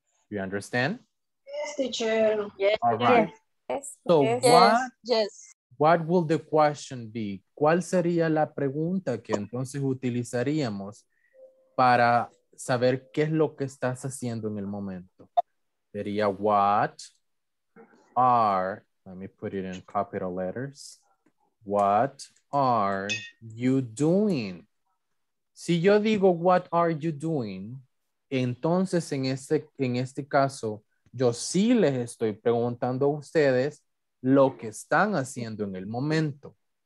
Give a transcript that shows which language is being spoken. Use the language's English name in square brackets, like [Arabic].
[English] You understand? Yes, teacher. Yes. All right. Yes. So yes. What will the question be? [Spanish] ¿Cuál sería la pregunta que entonces utilizaríamos para saber qué es lo que estás haciendo en el momento? Sería, [English] what are, let me put it in capital letters, what are you doing? [Spanish] Si yo digo, [English] what are you doing? [Spanish] Entonces, en este caso, yo sí les estoy preguntando a ustedes lo que están haciendo en el momento.